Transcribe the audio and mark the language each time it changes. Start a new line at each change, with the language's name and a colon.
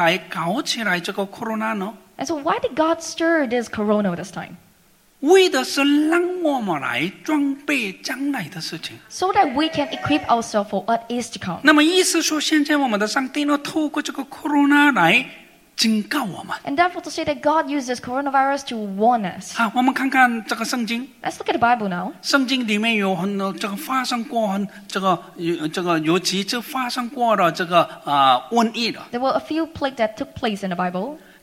Chinese: 所以呢，现在我们的上帝为什么让恶者来搞起来这个 corona 呢？
English: And so why did God stir this corona this time?
Chinese: 为的是让我们来装备将来的事情。
English: So that we can equip ourselves for what is to come.
Chinese: 那么意思说，现在我们的上帝呢，透过这个 corona 来。警告我们,
English: and therefore to say that God uses coronavirus to warn us.
Chinese: 好，我们看看这个圣经。
English: Let's look at the Bible now.
Chinese: 圣经里面有很多这个发生过，这个有几次发生过的这个瘟疫的。There
English: were a few plagues that took place in the Bible.